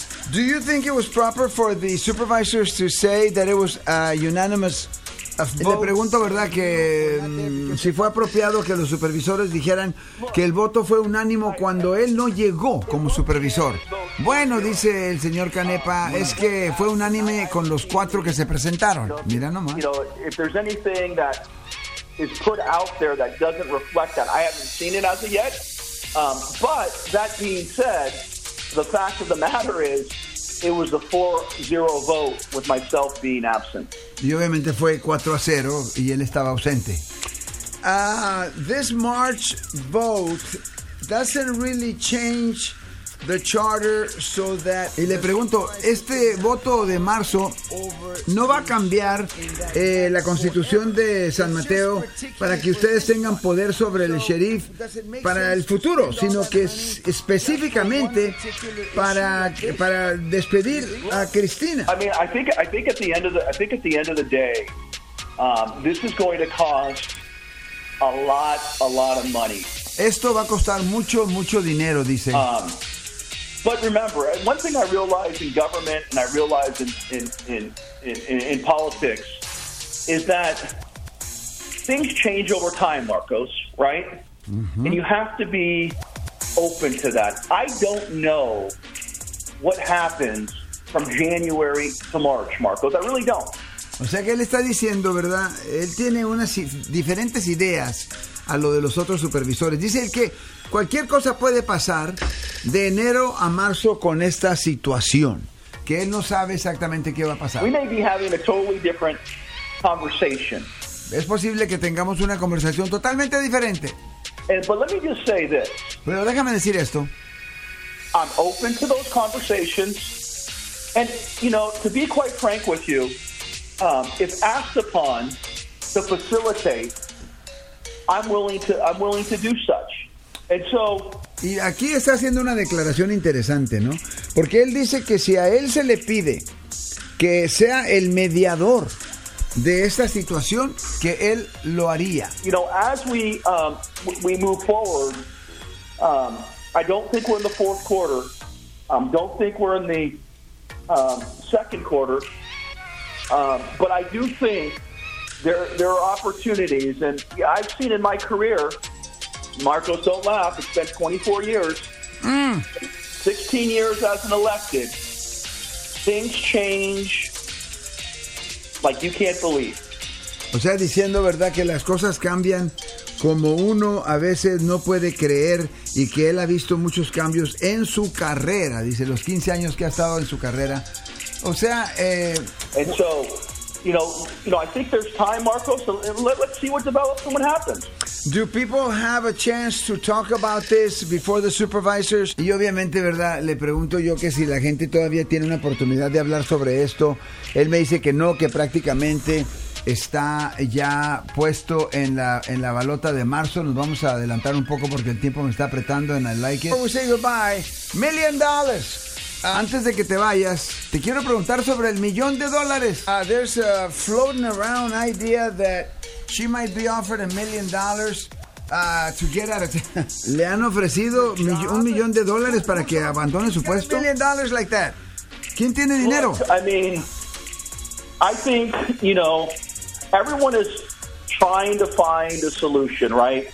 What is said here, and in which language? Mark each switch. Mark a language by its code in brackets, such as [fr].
[en] Do you think it was proper for the supervisors to say that it was a unanimous? [es] Le pregunto, ¿verdad?, que si fue apropiado que los supervisores dijeran que el voto fue unánimo cuando él no llegó como supervisor. Bueno, dice el señor Canepa, es que fue unánime con los cuatro que se presentaron. Mira nomás. [en] If there's anything that is put out there that doesn't reflect that, I haven't seen it as of yet. But that being said, the fact of the matter is, it was a 4-0 vote with myself being absent. [es] Y obviamente fue 4-0 y él estaba ausente. [en] This March vote doesn't really change the charter so that... [es] Y le pregunto, ¿este voto de marzo no va a cambiar la constitución de San Mateo para que ustedes tengan poder sobre el sheriff para el futuro, sino que es específicamente para despedir a Cristina? [en] I mean, I think at the end of the, I think at the end of the day, this is going to cost a lot of money. [es] Esto va a costar mucho, mucho dinero, dice. [en] But remember, one thing I realized in government and I realized in politics is that things change over time, Marcos, right? Mm-hmm. And you have to be open to that. I don't know what happens from January to March, Marcos. I really don't. [es] O sea que él está diciendo, ¿verdad? Él tiene unas diferentes ideas a lo de los otros supervisores. Dice él que cualquier cosa puede pasar de enero a marzo con esta situación, que él no sabe exactamente qué va a pasar. [en] We may be having a totally different conversation. [es] Es posible que tengamos una conversación totalmente diferente. [en] But let me just say this. [es] Pero déjame decir esto. [en] I'm open to those conversations. And, you know, to be quite frank with you, if asked upon to facilitate, I'm willing to do such. And so... [es] Y aquí está haciendo una declaración interesante, ¿no? Porque él dice que si a él se le pide que sea el mediador de esta situación, que él lo haría. [en] You know, as we move forward, I don't think we're in the fourth quarter. Don't think we're in the second quarter. But I do think there are opportunities. And I've seen in my career, Marcos, don't laugh, it's been 24 years. Mm. 16 years as an elected. Things change like you can't believe. [es] O sea, diciendo verdad que las cosas cambian como uno a veces no puede creer, y que él ha visto muchos cambios en su carrera, dice, los 15 años que ha estado en su carrera. O sea, [en] And so, you know, I think there's time, Marcos, so let's see what develops and what happens. Do people have a chance to talk about this before the supervisors? [es] Y obviamente, ¿verdad? Le pregunto yo que si la gente todavía tiene una oportunidad de hablar sobre esto. Él me dice que no, que prácticamente está ya puesto en la balota de marzo. Nos vamos a adelantar un poco porque el tiempo me está apretando, [en] and I like it. We say goodbye. $1,000,000. [es] Antes de que te vayas, te quiero preguntar sobre el $1,000,000. [en] There's a floating around idea that she might be offered $1,000,000 to get out of town. [es] ¿Le han ofrecido $1,000,000 para que abandone su puesto? [en] $1,000,000 like that. [es] ¿Quién tiene dinero? [en] Look, I mean, I think, you know, everyone is trying to find a solution, right?